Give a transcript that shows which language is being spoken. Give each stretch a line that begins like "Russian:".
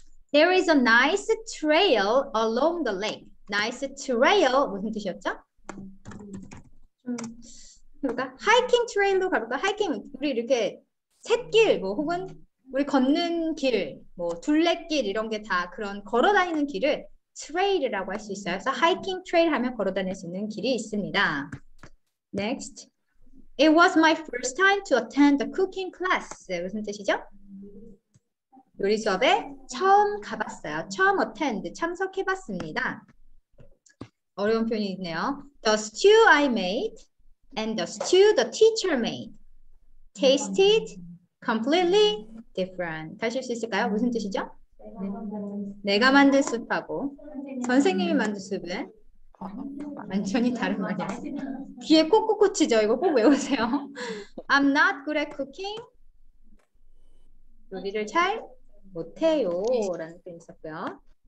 English: There is a nice trail along the lake.
Korean: Nice trail 무슨 뜻이었죠? 그러니까 하이킹 트레일로 가볼까? 하이킹 우리 이렇게 샛길 뭐 혹은 우리 걷는 길, 뭐 둘레길 이런 게다 그런 걸어 다니는 길을 트레일이라고 할수 있어요. 그래서 하이킹 트레일 하면 걸어 다닐 수 있는 길이 있습니다.
English: Next. It was my first time to attend the cooking class.
Korean: 무슨 뜻이죠? 요리 수업에 처음 가봤어요. 처음 attend, 참석해봤습니다. 어려운 표현이 있네요.
English: The stew I made and the stew the teacher made tasted completely different.
Korean: 다시 할수 있을까요? 무슨 뜻이죠? 내가 만든 수프하고 선생님이 만든 수프는 완전히 다른 말이야. 귀에 꼭꼭 꽂히죠? 이거 꼭 외우세요.
English: I'm not good at cooking.
Korean: 요리를 잘 못해요라는 표현이 있었고요.